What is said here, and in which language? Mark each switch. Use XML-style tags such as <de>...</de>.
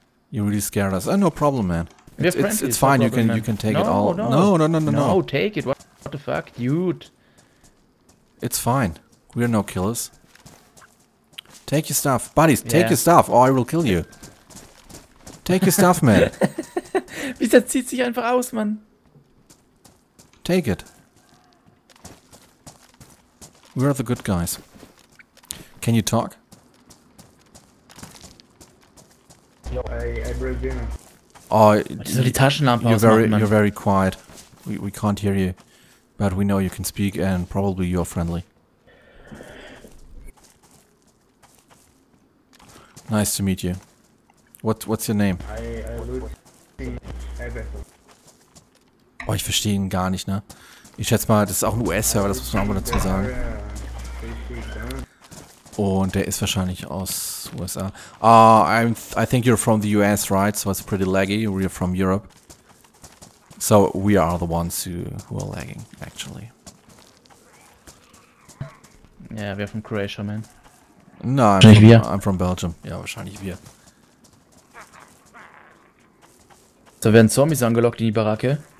<en>You really scared us. Oh, no problem, man. It's fine, problem, you can take no, it all. No, take it. What the fuck, dude? It's fine. We are no killers. Take your stuff. Buddies, take your stuff or I will kill you. Take your stuff, man.</en> <de>Wieso zieht sich einfach aus, Mann?</de> <en>Take it. We're the good guys. Can you talk? Yo, I broke in. Oh,</en> <de>so die Taschenlampe ausmachen, Mann.</de> <en>You're very quiet. We can't hear you. But we know you can speak and probably you're friendly. Nice to meet you. What's your name? I</en> <de>ich verstehe ihn gar nicht, ne? Ich schätze mal, das ist auch ein US-Server, das muss man auch mal dazu sagen. Und der ist wahrscheinlich aus USA.</de> <en>I think you're from the US, right? So it's pretty laggy. We're from Europe. So we are the ones who are lagging, actually.</en> <de>Ja, yeah, wir von Croatia, man. Nein, wahrscheinlich wir.</de> <en>I'm from Belgium.</en> <de>Ja, wahrscheinlich wir. Da werden Zombies angelockt in die Baracke.</de>